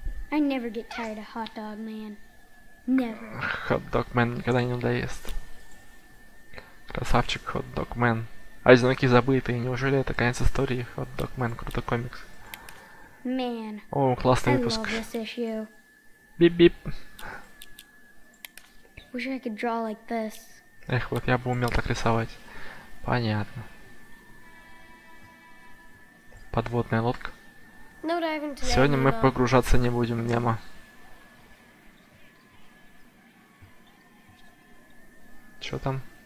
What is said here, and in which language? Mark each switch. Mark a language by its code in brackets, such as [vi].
[en] I never get tired of Hot Dog Man. Never. [ru] Hot Dog Man никогда не надоест. Красавчик Hot Dog Man. Одинокий забытый. Неужели это конец истории? Hot Dog Man, крутой комикс. [en] Man. [ru] О, классный [en] I [ru] выпуск. [en] Love this issue. Бип-бип. Wish I could draw like this. [ru] Эх, вот я бы умел так рисовать. Понятно. Подводная лодка. Сегодня мы погружаться не будем, Немо. Чё там?